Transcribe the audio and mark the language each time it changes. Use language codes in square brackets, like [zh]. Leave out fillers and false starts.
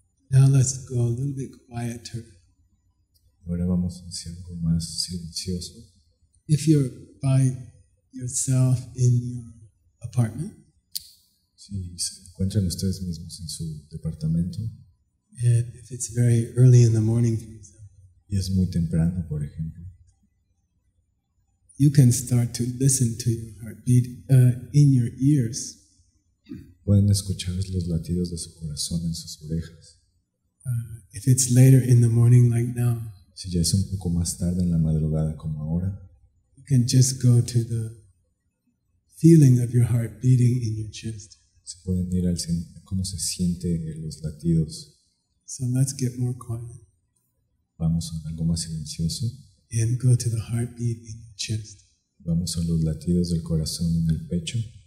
[en] Now let's go a little bit quieter. [es] Ahora vamos hacia algo más silencioso. [en] If you're by yourself in your apartment, [es] si se encuentran ustedes mismos en su departamento, [en] and if it's very early in the morning, for example, [es] y es muy temprano, por ejemplo, [en] you can start to listen to your heartbeat in your ears. [es] Pueden escuchar los latidos de su corazón en sus orejas. [en] If it's later in the morning, like now, [es] si ya es un poco más tarde en la madrugada como ahora, [en] you can just go to the feeling of your heart beating in your chest. [es] Se pueden ir al cómo se siente en los latidos. [en] So let's get more quiet. [es] Vamos a algo más silencioso. [en] And go to the heartbeat in your chest. [es] Vamos a los latidos del corazón en el pecho.